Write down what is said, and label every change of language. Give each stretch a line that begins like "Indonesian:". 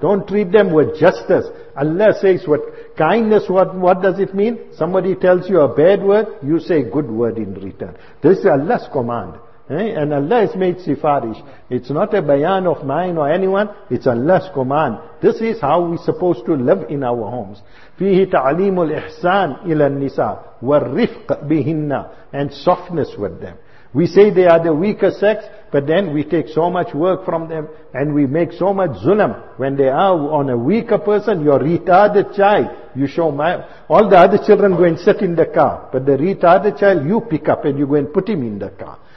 English: Don't treat them with justice. Allah says, what kindness, what does it mean? Somebody tells you a bad word, you say good word in return. This is Allah's command. And Allah has made sifarish. It's not a bayan of mine or anyone. It's Allah's command. This is how we're supposed to live in our homes.
Arabic: فِيهِ تَعْلِيمُ الْإِحْسَانِ إِلَى النِّسَاءِ وَالرِّفْقَ بِهِنَّ,
English: and softness with them. We say they are the weaker sex, but then we take so much work from them and we make so much zulam. When they are on a weaker person, your retarded child, you show my... All the other children go and sit in the car, but the retarded child, you pick up and you go and put him in the car.